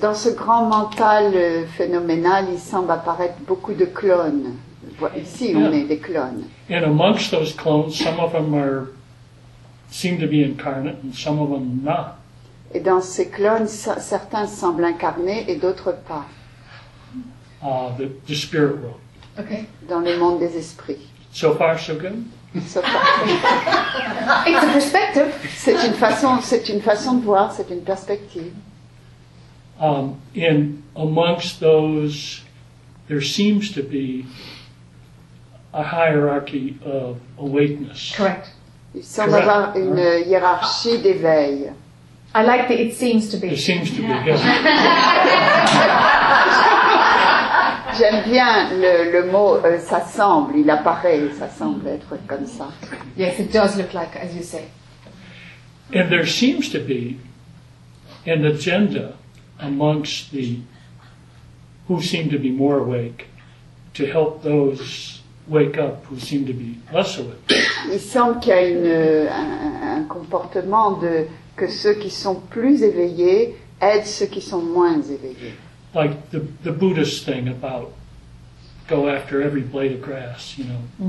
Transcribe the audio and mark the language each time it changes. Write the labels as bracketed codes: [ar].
[fr] Dans ce grand mental phénoménal, il semble apparaître beaucoup de clones. Ici, on est des clones. [en] And amongst those clones, some of them seem to be incarnate, and some of them not. [fr] Et dans ces clones, certains semblent incarnés et d'autres pas. [en] The spirit world. Okay. [fr] Dans le monde des esprits. [en] So far, so good. It's a perspective. [fr] C'est une façon de voir. C'est une perspective. [en] And amongst those, there seems to be a hierarchy of awakeness. Correct. [fr] Il semble avoir une hiérarchie d'éveil. [en] I like the it seems to be. It seems to be, yeah. [fr] J'aime bien le mot ça semble, il apparaît, ça semble être comme ça. [en] Yes, it does look like, as you say. And there seems to be an agenda amongst the who seem to be more awake to help those wake up who seem to be less awake. [fr] Il semble qu'il y a un comportement de que ceux qui sont plus éveillés aident ceux qui sont moins éveillés. [en] Like the Buddhist thing about go after every blade of grass, you know.